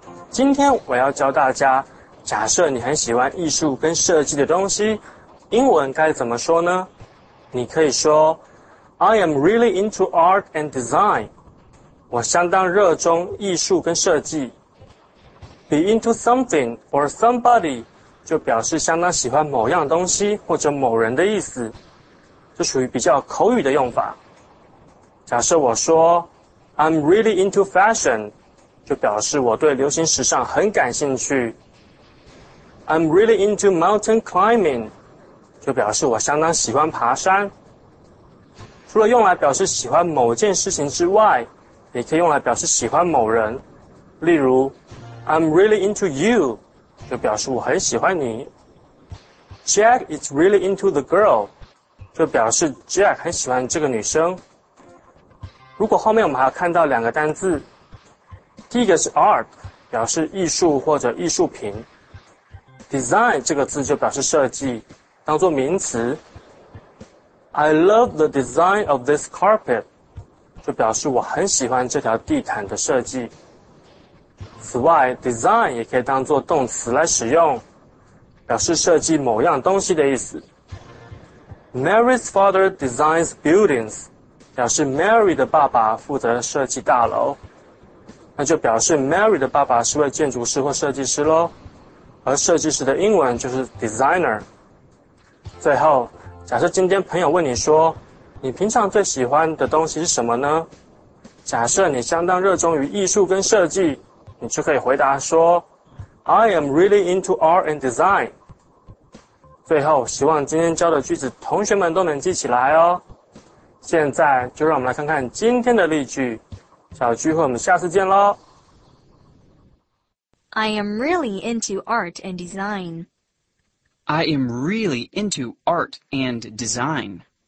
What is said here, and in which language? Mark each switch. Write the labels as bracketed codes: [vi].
[zh] 今天我要教大家，假设你很喜欢艺术跟设计的东西，英文该怎么说呢？你可以说 [en] I am really into art and design， [zh] 我相当热衷艺术跟设计。 [en] Be into something or somebody [zh] 就表示相当喜欢某样东西或者某人的意思，这属于比较口语的用法。假设我说 [en] I'm really into fashion， [zh] 就表示我对流行时尚很感兴趣。 [en] I'm really into mountain climbing， [zh] 就表示我相当喜欢爬山。除了用来表示喜欢某件事情之外，也可以用来表示喜欢某人，例如 [en] I'm really into you， [zh] 就表示我很喜欢你。 [en] Jack is really into the girl， [zh] 就表示 Jack 很喜欢这个女生。如果后面我们还要看到两个单字，第一个是 art， 表示艺术或者艺术品。 design 这个字就表示设计，当作名词。 [en] I love the design of this carpet， [zh] 就表示我很喜欢这条地毯的设计。此外， design 也可以当作动词来使用，表示设计某样东西的意思。 [en] Mary's father designs buildings， [zh] 表示 Mary 的爸爸负责设计大楼，那就表示 Mary 的爸爸是位建筑师或设计师咯，而设计师的英文就是 designer。最后，假设今天朋友问你说，你平常最喜欢的东西是什么呢？假设你相当热衷于艺术跟设计，你就可以回答说 [en] I am really into art and design。 [zh] 最后，希望今天教的句子同学们都能记起来哦。现在就让我们来看看今天的例句，小聚会我们下次见咯。 [en] I am really into art and design. I am really into art and design.